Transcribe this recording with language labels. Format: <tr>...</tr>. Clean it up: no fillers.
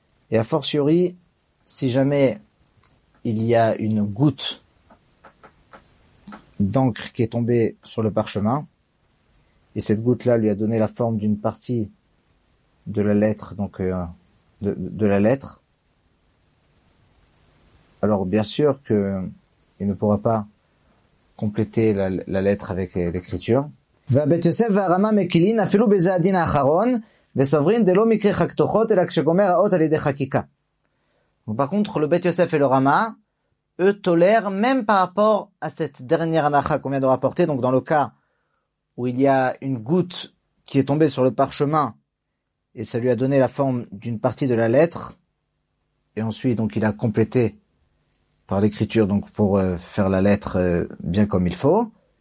<fr>Et a fortiori, si jamais il y a une goutte d'encre qui est tombée sur le parchemin, et cette goutte-là lui a donné la forme d'une partie de la lettre, donc de la lettre, alors bien sûr que il ne pourra pas compléter la lettre avec l'écriture.</fr> <he>והבית יוסף והרמה מקילין אפילו בזה הדין האחרון וסוברים זה לא מקרה חקתוכות אלא כשגומר האות על ידי חקיקה.</he> <fr>Par contre, le Beit Yosef et le Rama, eux tolèrent, même par rapport à cette dernière anacha qu'on vient de rapporter, donc dans le cas où il y a une goutte qui est tombée sur le parchemin et ça lui a donné la forme d'une partie de la lettre, et ensuite donc il a complété par l'écriture donc pour faire la lettre bien comme il faut.</fr>